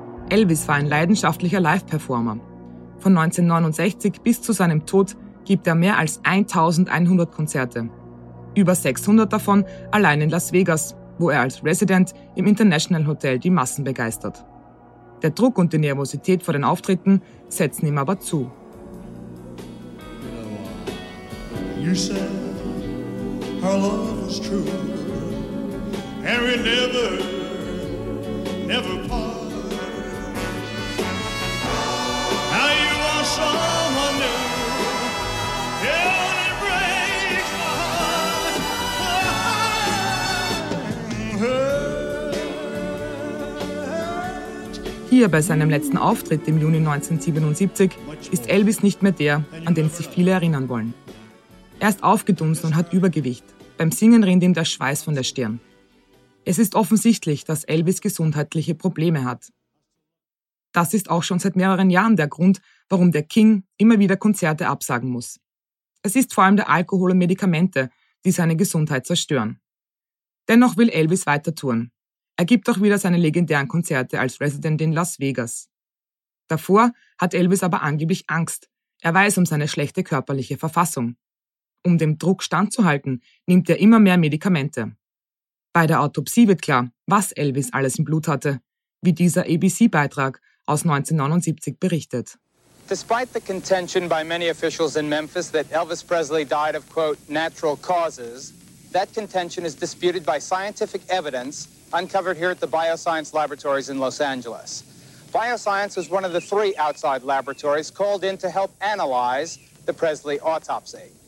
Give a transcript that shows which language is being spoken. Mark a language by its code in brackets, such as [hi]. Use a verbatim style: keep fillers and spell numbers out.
[de] Elvis war ein leidenschaftlicher Live-Performer. Von neunzehnhundertneunundsechzig bis zu seinem Tod gibt er mehr als eintausendeinhundert Konzerte. Über sechshundert davon allein in Las Vegas, wo er als Resident im International Hotel die Massen begeistert. Der Druck und die Nervosität vor den Auftritten setzen ihm aber zu. [en] You said our love was true and we never, never part. Now you are someone new. It only breaks my heart. Why hurt [de] Hier bei seinem letzten Auftritt im Juni neunzehnhundertsiebenundsiebzig ist Elvis nicht mehr der, an den sich viele erinnern wollen. Er ist aufgedunsen und hat Übergewicht. Beim Singen rinnt ihm der Schweiß von der Stirn. Es ist offensichtlich, dass Elvis gesundheitliche Probleme hat. Das ist auch schon seit mehreren Jahren der Grund, warum der King immer wieder Konzerte absagen muss. Es ist vor allem der Alkohol und Medikamente, die seine Gesundheit zerstören. Dennoch will Elvis weiter touren. Er gibt auch wieder seine legendären Konzerte als Resident in Las Vegas. Davor hat Elvis aber angeblich Angst. Er weiß um seine schlechte körperliche Verfassung. Um dem Druck standzuhalten, nimmt er immer mehr Medikamente. Bei der Autopsie wird klar, was Elvis alles im Blut hatte, wie dieser A B C-Beitrag aus neunzehnhundertneunundsiebzig berichtet. [en] Despite the contention by many officials in Memphis that Elvis Presley died of, quote, natural causes, that contention is disputed by scientific evidence uncovered here at the Bioscience Laboratories in Los Angeles. Bioscience was one of the three outside laboratories called in to help analyze the Presley autopsy.